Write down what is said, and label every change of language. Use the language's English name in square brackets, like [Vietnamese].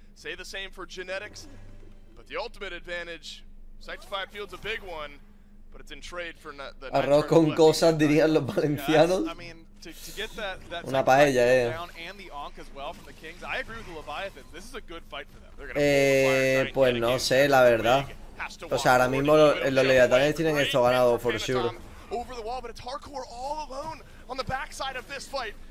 [English] Say the same for genetics, but the ultimate advantage Sanctified Field's a big one, but it's in trade for not the [Spanish] arroz con cosas, dirían los valencianos. [English] Yeah, I mean, to get that [Spanish] una paella, [English] down and the Ankh as well from the Kings. I agree with the Leviathan. This is a good fight for them. [Spanish] Pues no sé, la verdad. O sea, ahora mismo los Leviatanes tienen esto ganado, [English] for sure. Over the wall, but it's Hardcore all alone on the backside of this fight.